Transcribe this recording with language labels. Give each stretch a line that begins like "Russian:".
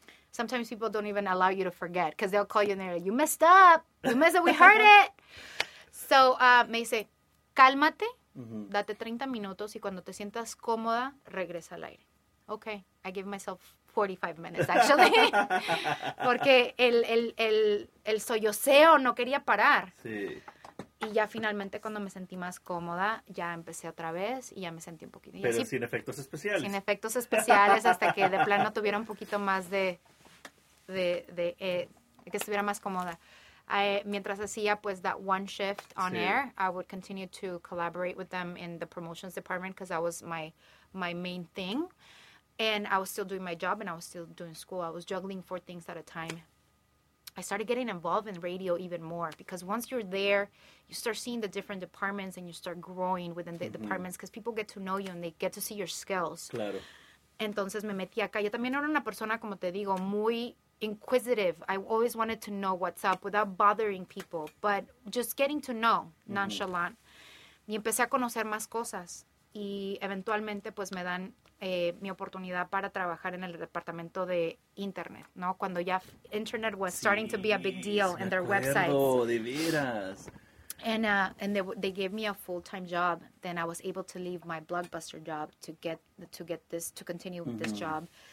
English: Sometimes people don't even allow you to forget, because they'll call you and they're like, you messed up. You messed up, we heard it. So
Spanish: me dice, cálmate,
English: uh-huh.
Spanish: date 30 minutos y cuando te sientas cómoda, regresa al aire.
English: Okay, I give myself 45 minutes, actually.
Spanish: Porque el solloceo no quería parar. Sí. Y ya finalmente cuando me sentí más cómoda, ya empecé otra vez y ya me sentí un poquito. Pero así, sin efectos especiales. Sin efectos especiales hasta que de plano tuviera un poquito más de que estuviera más cómoda. Mientras hacía pues
English: that one shift on air, I would continue to collaborate with them in the promotions department because that was my main thing. And I was still doing my job, and I was still doing school. I was juggling four things at a time. I started getting involved in radio even more because once you're there, you start seeing the different departments, and you start growing within the mm-hmm. departments because people get to know you, and they get to see your skills.
Spanish: Claro. Entonces, me metí acá. Yo también era una persona, como te digo, muy inquisitive.
English: I always wanted to know what's up without bothering people, but just getting to know, nonchalant.
Spanish: Mm-hmm. Y empecé a conocer más cosas. Y eventualmente, pues, me dan... mi oportunidad para trabajar en el departamento de internet, ¿no? Cuando ya
English: internet was starting to be a big deal in their websites.
Spanish: Oh, de veras.
English: And they gave me a full-time job. Then I was able to leave my Blockbuster job to continue with this job.